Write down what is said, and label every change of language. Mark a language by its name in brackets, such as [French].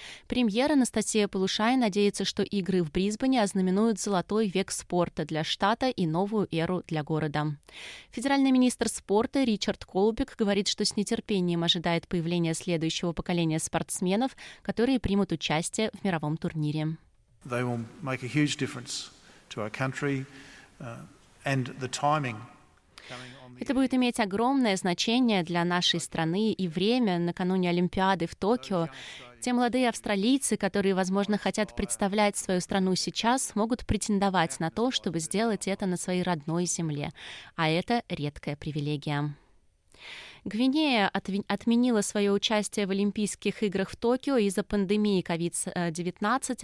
[Russian] Премьер Анастасия Полушай надеется, что игры в Брисбене ознаменуют золотой век спорта для штата и новую эру для города. Федеральный министр спорта Ричард Колбик говорит, что с нетерпением ожидает появления следующего поколения спортсменов, которые примут участие в мировом турнире. [English] They will make a huge difference to our country, and the timing. [Russian] Это будет иметь огромное значение для нашей страны и время накануне Олимпиады в Токио. Те молодые австралийцы, которые, возможно, хотят представлять свою страну сейчас, могут претендовать на то, чтобы сделать это на своей родной земле. А это редкая привилегия. Гвинея отменила свое участие в Олимпийских играх в Токио из-за пандемии COVID-19.